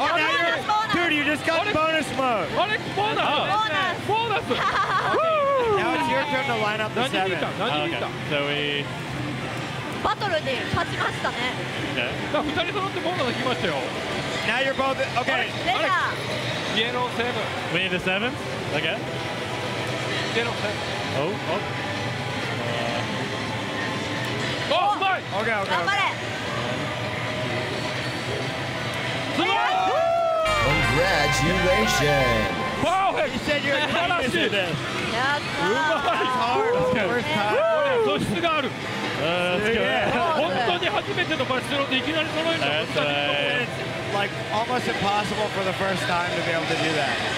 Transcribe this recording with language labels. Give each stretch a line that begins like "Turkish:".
English: Now it's your turn to line up the seven.
Japanese: 何見た、何見た。
English: So we
Japanese: バトルで勝ちましたね。だから2人揃ってボーナス来ましたよ。
English: Now you're both OK。
Japanese: レザーイエロー7。
English: We need a 7? OK
Japanese: イエロー7。
English: Oh, oh. Oh, my! Okay, okay.
Japanese: 頑張れ。すごい！
English: Congratulations! Wow! You said you're a genius at this.
Japanese: やった
English: ー！ It's hard on the first time.
Japanese: これ、素質がある。
English: That's good.
Japanese: 本当に初めてのバチスロっていきなり揃えるの？
English: That's right. Like, almost impossible for the first time to be able to do that.